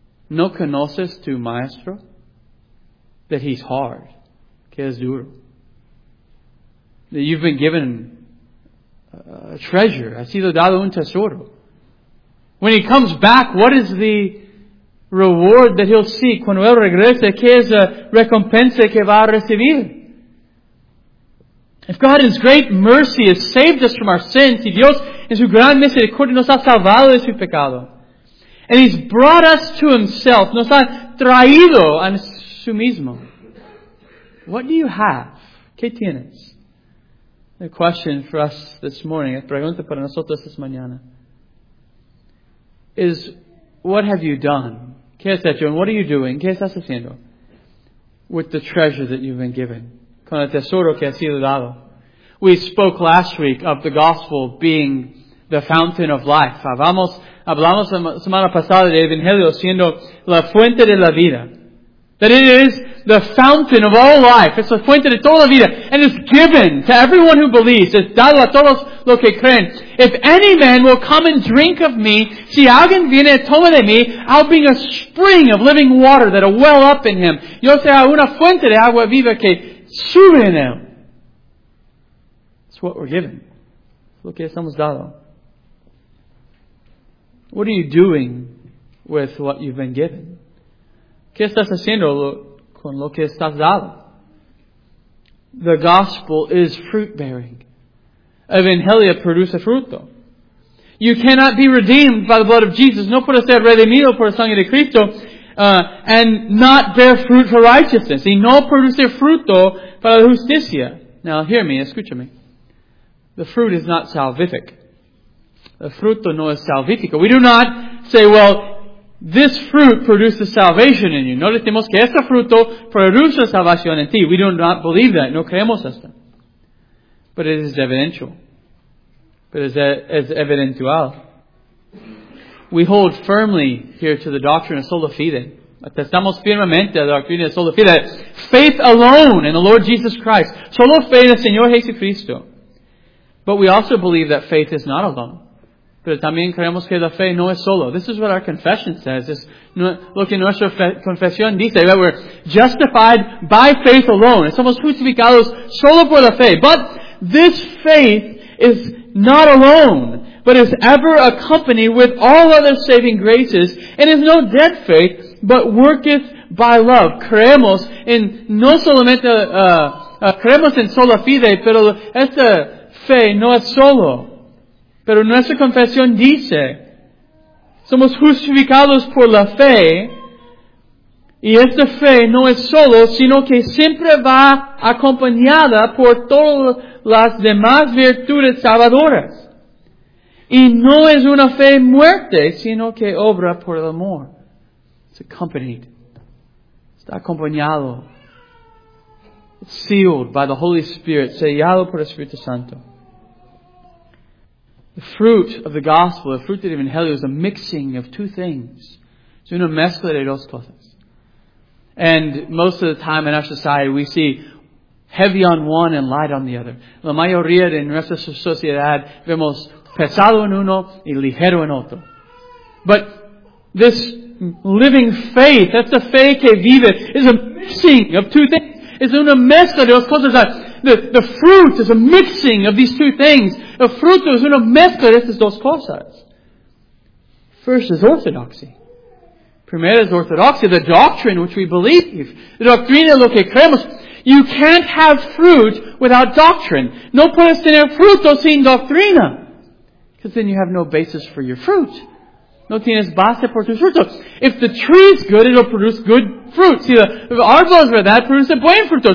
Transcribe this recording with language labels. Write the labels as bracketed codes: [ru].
[es] ¿No conoces tu maestro? [en] That he's hard. [es] Que es duro. [en] That you've been given a treasure. [es] Has sido dado un tesoro. [en] When he comes back, what is the reward that he'll seek? [es] Cuando él regrese, ¿qué es la recompensa que va a recibir? [en] If God in His great mercy has saved us from our sins, [es] y Dios en su gran misericordia nos ha salvado de su pecado, [en] and He's brought us to Himself, [es] nos ha traído a su mismo, [en] what do you have? [es] ¿Qué tienes? [en] The question for us this morning, [es] la pregunta para nosotros esta mañana, [en] is what have you done? [es] ¿Qué has hecho? [en] And what are you doing? [es] ¿Qué estás haciendo? [en] With the treasure that you've been given. [es] Con el tesoro que ha sido dado. [en] We spoke last week of the gospel being the fountain of life. [es] Hablamos la semana pasada del Evangelio siendo la fuente de la vida. [en] That it is the fountain of all life. [es] Es la fuente de toda la vida. [en] And it's given to everyone who believes. [es] Es dado a todos los que creen. [en] If any man will come and drink of me, [es] si alguien viene y toma de mí, [en] I'll bring a spring of living water that'll well up in him. [es] Yo será una fuente de agua viva que sube en él. [en] It's what we're given. [es] Lo que estamos dado. [en] What are you doing with what you've been given? [es] ¿Qué estás haciendo con lo que estás dado? [en] The gospel is fruit bearing. [es] Evangelia produce fruto. [en] You cannot be redeemed by the blood of Jesus. [es] No puedes ser redimido por la sangre de Cristo. [en] And not bear fruit for righteousness. [es] Y no producir fruto para la justicia. [en] Now hear me, [es] escúchame. [en] The fruit is not salvific. [es] The fruto no es salvífico. [en] We do not say, well, this fruit produces salvation in you. [es] No decimos que este fruto produce salvación en ti. [en] We do not believe that. [es] No creemos esto. [en] But it is evidential. But it is evidential. We hold firmly here to the doctrine of sola fide. [es] Atestamos firmemente a la doctrina de sola fide. [en] Faith alone in the Lord Jesus Christ. [es] Solo fe en el Señor Jesucristo. [en] But we also believe that faith is not alone. [es] Pero también creemos que la fe no es solo. [en] This is what our confession says. [es] Es lo que nuestra confesión dice. [en] That we're justified by faith alone. [es] Somos justificados solo por la fe. [en] But this faith is not alone, but is ever accompanied with all other saving graces, and is no dead faith, but worketh by love. [es] Creemos en no solamente creemos en sola fide, pero esta fe no es solo. Pero nuestra confesión dice, somos justificados por la fe, y esta fe no es solo, sino que siempre va acompañada por todas las demás virtudes salvadoras. Y no es una fe muerte, sino que obra por el amor. [en] It's accompanied. [es] Está acompañado. [en] It's sealed by the Holy Spirit, [es] sellado por el Espíritu Santo. [en] The fruit of the gospel, the fruit of the Evangelio, is a mixing of two things. [es] Es una mezcla de dos cosas. [en] And most of the time in our society, we see heavy on one and light on the other. [es] La mayoría de nuestra sociedad vemos pesado en uno y ligero en otro. [en] But this living faith, that's the [es] fe que vive, [en] is a mixing of two things. [es] Es una mezcla de dos cosas. [en] The fruit is a mixing of these two things. [es] El fruto es una mezcla de estas dos cosas. [en] First is orthodoxy. [es] Primero es ortodoxia, [en] the doctrine which we believe. [es] La doctrina lo que creemos. [en] You can't have fruit without doctrine. [es] No puedes tener fruto sin doctrina. [en] Because then you have no basis for your fruit. [es] No tienes base por tus frutos. [en] If the tree is good, it'll produce good fruit. [es] Si el árbol es verdad, produce buen fruto.